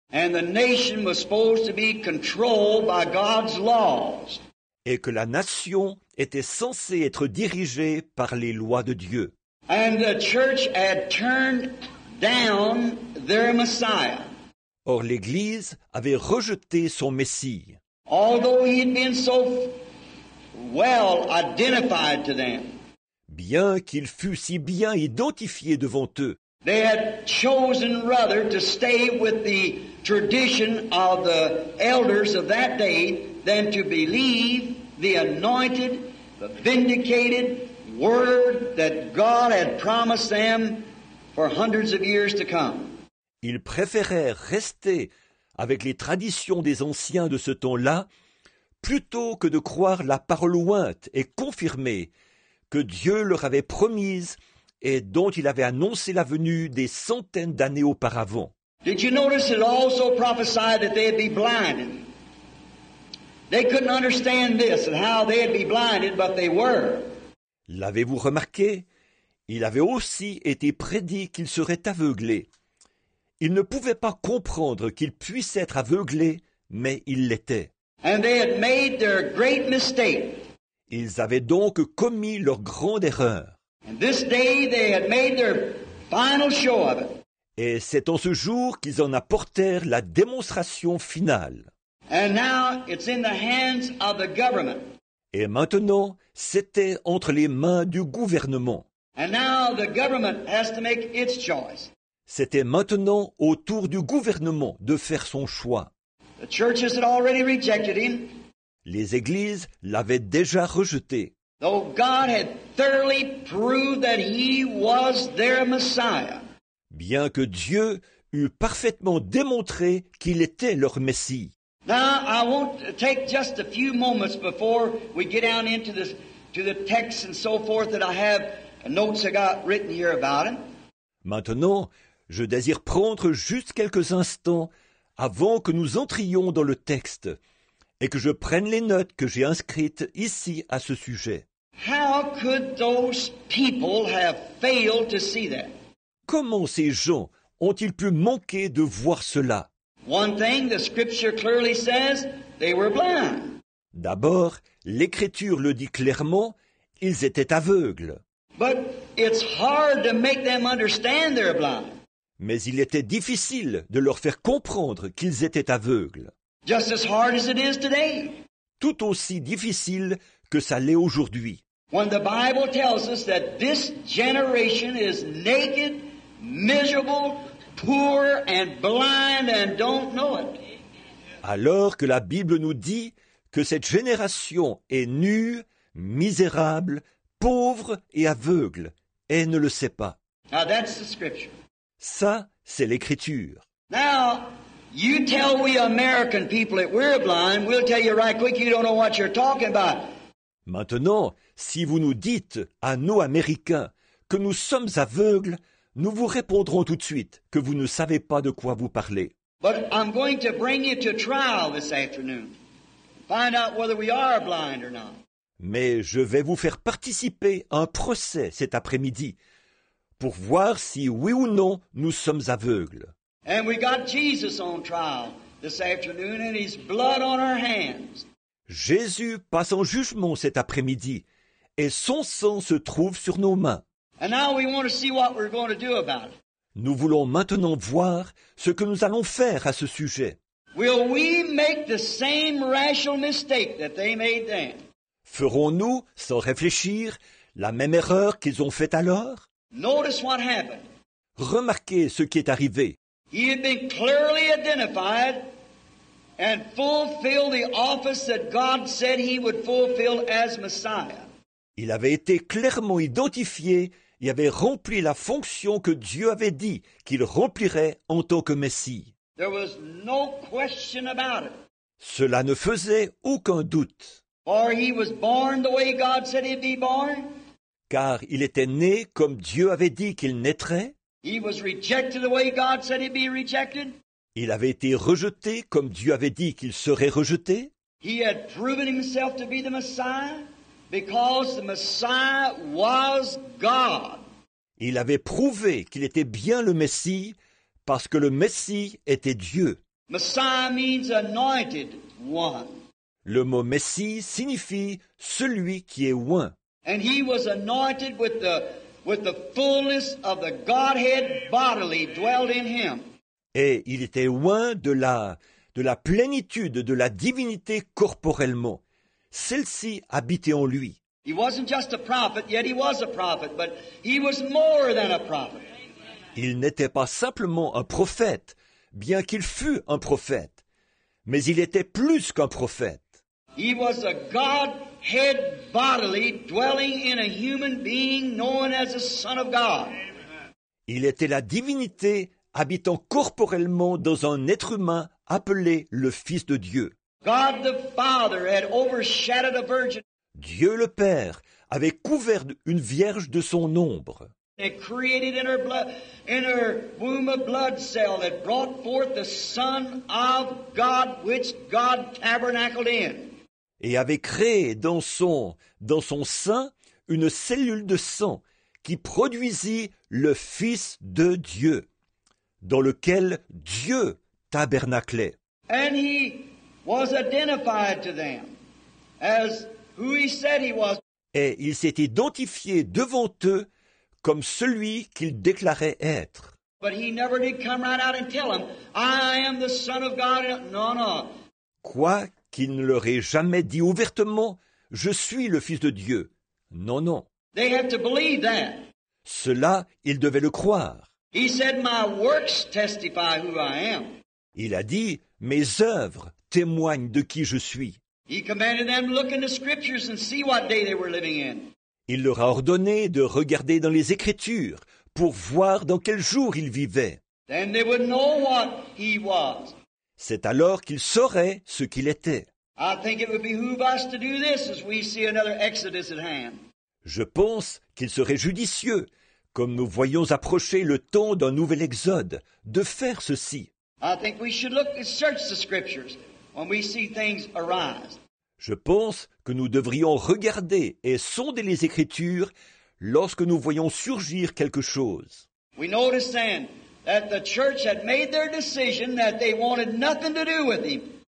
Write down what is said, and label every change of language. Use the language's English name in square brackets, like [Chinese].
[English] And the nation was supposed to be controlled by God's laws. [French] Et que la nation était censée être dirigée par les lois de Dieu. [English] And the church had turned down their Messiah. [French] Or l'Église avait rejeté son Messie. [English] Although he had been so well identified to them. [French] bien qu'ils fussent si bien identifiés devant eux. [English] They had chosen rather to stay with the tradition of the elders of that day than to believe the anointed, the vindicated word that God had promised them for hundreds of years to come. [French] Ils préférèrent rester avec les traditions des anciens de ce temps-là plutôt que de croire la parole ointe et confirmée que Dieu leur avait promise et dont il avait annoncé la venue des centaines d'années auparavant. [English] Did you notice it also prophesied that they'd be blinded? They couldn't understand this and how they'd be blinded, but they were. [French] L'avez-vous remarqué? Il avait aussi été prédit qu'ils seraient aveuglés. Ils ne pouvaient pas comprendre qu'ils puissent être aveuglés, mais ils l'étaient. [English] And they had made their great mistake. [French] Ils avaient donc commis leur grande erreur. [English] And this day they had made their final show of it. [French] Et c'est en ce jour qu'ils en apportèrent la démonstration finale. [English] And now it's in the hands of the government. [French] Et maintenant, c'était entre les mains du gouvernement. [English] And now the government has to make its choice. [French] C'était maintenant au tour du gouvernement de faire son choix. [English] The churches had already rejected him. [French] Les églises l'avaient déjà rejeté. [English] Though God had thoroughly proved that he was their Messiah. [French] Bien que Dieu eût parfaitement démontré qu'il était leur Messie. [English] Now I won't take just a few moments before we get down into this to the text and so forth that I have notes I got written here about him. [French] Maintenant, je désire prendre juste quelques instants avant que nous entrions dans le texte et que je prenne les notes que j'ai inscrites ici à ce sujet. [English] How could those people have failed to see that? [French] Comment ces gens ont-ils pu manquer de voir cela? [English] One thing, the scripture clearly says, they were blind. [French] D'abord, l'Écriture le dit clairement, ils étaient aveugles. [English] But it's hard to make them understand they're blind. [French] Mais il était difficile de leur faire comprendre qu'ils étaient aveugles. [English] Just as hard as it is today. [French] Tout aussi difficile que ça l'est aujourd'hui. [English] When the Bible tells us that this generation is naked, miserable, poor and blind and don't know it. [French] Alors que la Bible nous dit que cette génération est nue, misérable, pauvre et aveugle et ne le sait pas. [English] Now that's the scripture. [French] Ça, c'est l'Écriture. [English] Now, you tell we American people that we're blind, we'll tell you right quick you don't know what you're talking about. [French] Maintenant, si vous nous dites, à nous Américains, que nous sommes aveugles, nous vous répondrons tout de suite que vous ne savez pas de quoi vous parlez. [English] But I'm going to bring you to trial this afternoon. Find out whether we are blind or not. [French] Mais je vais vous faire participer à un procès cet après-midi, pour voir si, oui ou non, nous sommes aveugles. [English] And we got Jesus on trial this afternoon and his blood on our hands. [French] Jésus passe en jugement cet après-midi et son sang se trouve sur nos mains. [English] And now we want to see what we're going to do about it. [French] Nous voulons maintenant voir ce que nous allons faire à ce sujet. [English] Will we make the same rational mistake that they made then? [French] Ferons-nous, sans réfléchir, la même erreur qu'ils ont faite alors? [English] Notice what happened. [French] Remarquez ce qui est arrivé. [English] He had been clearly identified and fulfilled the office that God said he would fulfill as Messiah. [French] Il avait été clairement identifié et avait rempli la fonction que Dieu avait dit qu'il remplirait en tant que Messie. [English] There was no question about it. [French] Cela ne faisait aucun doute. [English] For he was born the way God said he'd be born. [French] Car il était né comme Dieu avait dit qu'il naîtrait. [English] He was rejected the way God said he'd be rejected. [French] Il avait été rejeté comme Dieu avait dit qu'il serait rejeté. [English] He had proven himself to be the Messiah because the Messiah was God. [French] Il avait prouvé qu'il était bien le Messie parce que le Messie était Dieu. [English] Messiah means anointed one. [French] Le mot Messie signifie celui qui est oint. [English] And he was anointed with the fullness of the Godhead bodily dwelled in him. [French] Et il était oint de la plénitude de la divinité corporellement. Celle-ci habitait en lui. [English] He wasn't just a prophet, yet he was a prophet, but he was more than a prophet. [French] Il n'était pas simplement un prophète, bien qu'il fût un prophète, mais il était plus qu'un prophète. [English] He was a Godhead bodily dwelling in a human being known as the Son of God. [French] Il était la divinité habitant corporellement dans un être humain appelé le Fils de Dieu. [English] God the Father had overshadowed a virgin. [French] Dieu le Père avait couvert une vierge de son ombre. [English] It created in her blood, in her womb a blood cell that brought forth the Son of God, which God tabernacled in. [French] Et avait créé dans son sein une cellule de sang qui produisit le Fils de Dieu, dans lequel Dieu tabernaclait. [English] And he was identified to them as who he said he was. [French] Et il s'est identifié devant eux comme celui qu'il déclarait être. [English] But he never did come right out and tell them, I am the Son of God. No, no. [French] Quoi qu'il ne leur ait jamais dit ouvertement, je suis le Fils de Dieu. Non, non. [English] They had to believe that. [French] Cela, ils devaient le croire. [English] He said, my works testify who I am. [French] Il a dit, mes œuvres témoignent de qui je suis. [English] He commanded them to look in the scriptures and see what day they were living in. [French] Il leur a ordonné de regarder dans les Écritures pour voir dans quel jour ils vivaient. [English] Then they would know what he was. [French] C'est alors qu'ils sauraient ce qu'il était. [English] I think it would behoove us to do this as we see another exodus at hand. [French] Je pense qu'il serait judicieux, comme nous voyons approcher le temps d'un nouvel exode, de faire ceci. [English] I think we should look and search the scriptures when we see things arise. [French] Je pense que nous devrions regarder et sonder les Écritures lorsque nous voyons surgir quelque chose. [English] We noticed then that the church had made their decision that they wanted nothing to do with him.